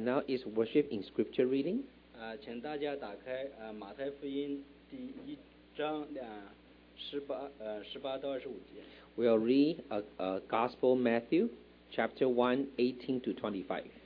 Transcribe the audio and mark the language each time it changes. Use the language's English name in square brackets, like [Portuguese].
[English] Now is worship in scripture reading. [Chinese] 请大家打开马太福音第一章十八到二十五节。 [English] We'll read a Gospel Matthew chapter 1:18-25.